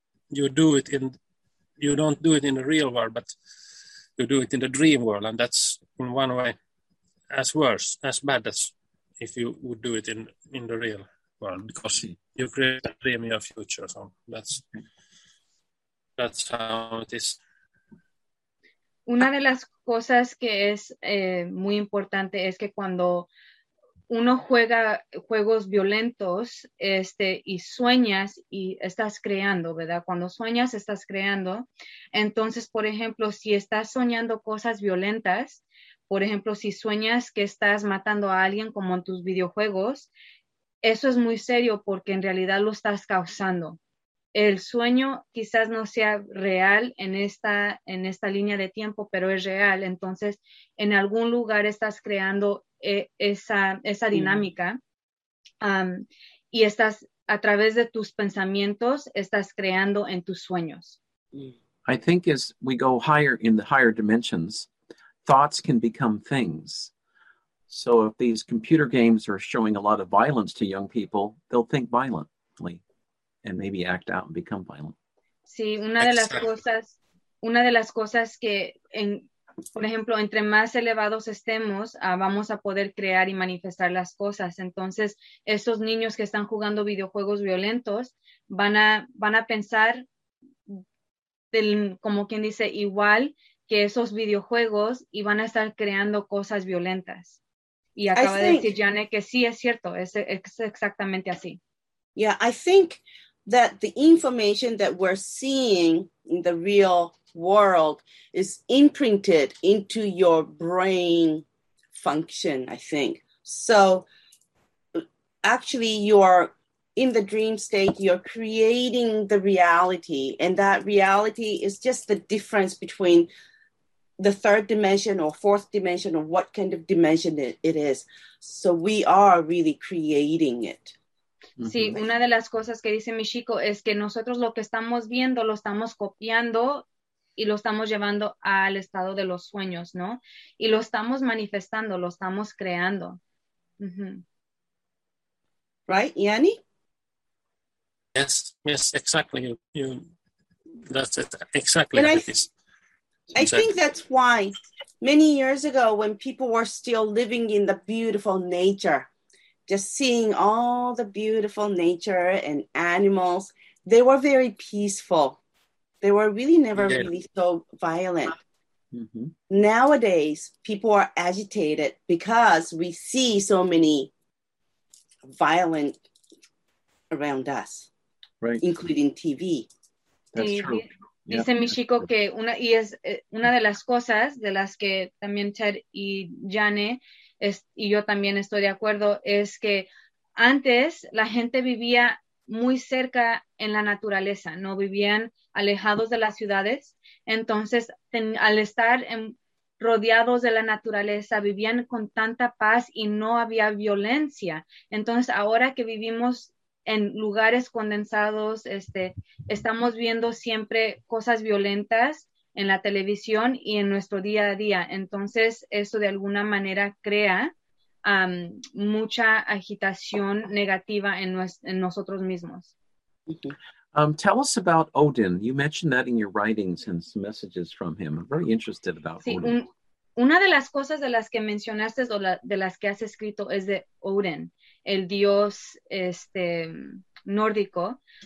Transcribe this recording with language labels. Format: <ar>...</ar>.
<en>You don't do it in the real world, but you do it in the dream world, and that's in one way as bad as if you would do it in the real world, because you create a dream in your future. So that's how it is.</en> <es>Una de las cosas que es muy importante es que cuando uno juega juegos violentos y sueñas y estás creando, ¿verdad? Cuando sueñas, estás creando. Entonces, por ejemplo, si estás soñando cosas violentas, por ejemplo, si sueñas que estás matando a alguien como en tus videojuegos, eso es muy serio porque en realidad lo estás causando. El sueño quizás no sea real en esta línea de tiempo, pero es real. Entonces, en algún lugar estás creando esa dinámica y estás, a través de tus pensamientos, estás creando en tus sueños.</es> <en>I think as we go higher in the higher dimensions, thoughts can become things. So if these computer games are showing a lot of violence to young people, they'll think violently. And maybe act out and become violent.</en> <es>Sí, una de las cosas que, por ejemplo, entre más elevados estemos, vamos a poder crear y manifestar las cosas. Entonces, esos niños que están jugando videojuegos violentos van a pensar, como quien dice, igual que esos videojuegos y van a estar creando cosas violentas. Y acaba de decir Janne que sí, es cierto, es exactamente así.</es> <en>Yeah, I think that the information that we're seeing in the real world is imprinted into your brain function, I think. So actually you are in the dream state, you're creating the reality, and that reality is just the difference between the third dimension or fourth dimension or what kind of dimension it is. So we are really creating it.</en> <es>Sí, una de las cosas que dice Michiko es que nosotros lo que estamos viendo lo estamos copiando y lo estamos llevando al estado de los sueños, ¿no? Y lo estamos manifestando, lo estamos creando.</es> <en>Uh-huh. Right, Yanni? Yes, exactly. You, that's it, exactly. I think that's why many years ago when people were still living in the beautiful nature, just seeing all the beautiful nature and animals, they were very peaceful. They were really never really so violent. Mm-hmm. Nowadays, people are agitated because we see so many violent around us, right, including TV. That's true.</en> <es>Dice Michiko que una de las cosas de las que también Ted y Janne y yo también estoy de acuerdo, es que antes la gente vivía muy cerca en la naturaleza, no vivían alejados de las ciudades. Entonces, al estar rodeados de la naturaleza, vivían con tanta paz y no había violencia. Entonces, ahora que vivimos en lugares condensados, estamos viendo siempre cosas violentas en la televisión y en nuestro día a día. Entonces, eso de alguna manera crea mucha agitación negativa en nosotros mismos.</es> <en>Tell us about Odin. You mentioned that in your writings and some messages from him. I'm very interested about Odin.</en> <es>Una de las cosas de las que mencionaste o de las que has escrito es de Odin, el dios nórdico.</es>